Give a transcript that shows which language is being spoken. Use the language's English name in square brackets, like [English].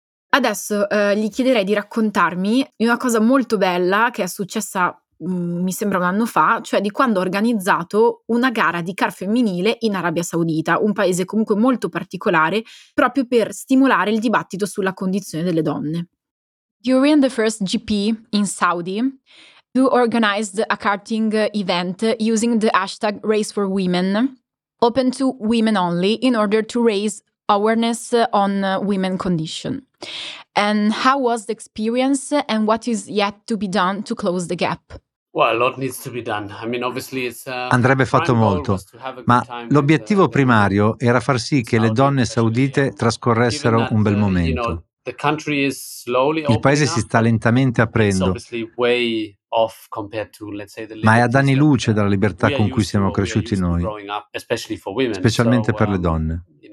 [Italian] Adesso gli chiederei di raccontarmi di una cosa molto bella che è successa, mi sembra, un anno fa, cioè di quando ho organizzato una gara di kart femminile in Arabia Saudita, un paese comunque molto particolare, proprio per stimolare il dibattito sulla condizione delle donne. [English] During the first GP in Saudi, you organized a karting event using the hashtag Race for Women, open to women only, in order to raise awareness on women condition. And how was the experience and what is yet to be done to close the gap? Well, a lot needs to be done. I mean, obviously it's [Italian] andrebbe fatto molto, ma l'obiettivo primario era far sì che le donne saudite trascorressero un bel momento. Il paese si sta lentamente aprendo, ma è ad anni luce dalla libertà con cui siamo cresciuti noi, specialmente per le donne.